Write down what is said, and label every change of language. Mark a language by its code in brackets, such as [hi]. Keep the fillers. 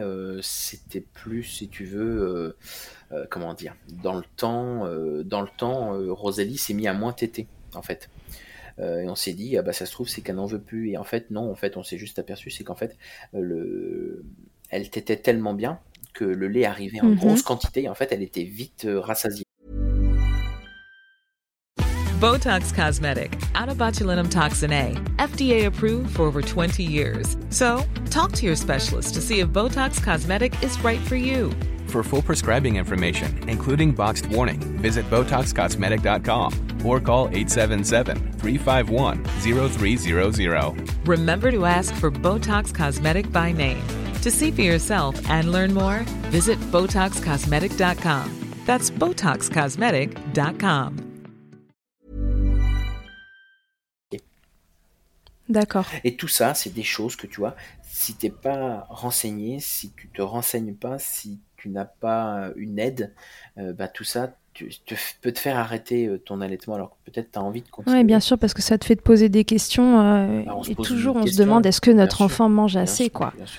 [fr] Euh, C'était plus, si tu veux, comment dire, dans le temps, dans le temps Rosalie s'est mise à moins téter, en fait. et on s'est dit, ah bah, ça se trouve, c'est qu'elle n'en veut plus. Et en fait, non, en fait, on s'est juste aperçu, c'est qu'en fait, le... elle tétait tellement bien que le lait arrivait en mm -hmm. grosse quantité. Et en fait, elle était vite rassasiée. [en] Botox Cosmetic, out of botulinum toxin A, FDA approved for over 20 years. So, talk to your specialist to see if Botox Cosmetic is right for you. For full prescribing information, including boxed warning, visit BotoxCosmetic.com or call 877-351-0300. Remember to ask for Botox Cosmetic by name. To see for yourself and learn more, visit BotoxCosmetic.com. That's BotoxCosmetic.com. [fr] D'accord. Et tout ça, c'est des choses que tu vois, si t'es pas renseigné, si tu te renseignes pas, si tu n'as pas une aide, euh, bah tout ça tu, te, peut te faire arrêter ton allaitement alors que peut-être tu as envie de continuer. Oui, bien sûr, parce que ça te fait te poser des questions euh, bah, et toujours on question, se demande est-ce que notre sûr, enfant mange assez, sûr, quoi.